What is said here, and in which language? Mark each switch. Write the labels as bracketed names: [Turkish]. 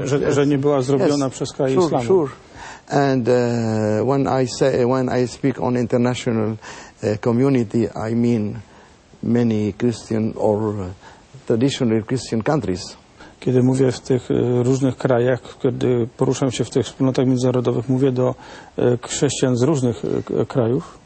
[Polish] Że nie była zrobiona przez kraj islamu. [English] Sure. And when I speak on international community, I mean many Christian or traditionally Christian countries. [Polish] Kiedy mówię w tych różnych krajach, kiedy poruszam się w tych wspólnotach międzynarodowych, mówię do chrześcijan z różnych krajów.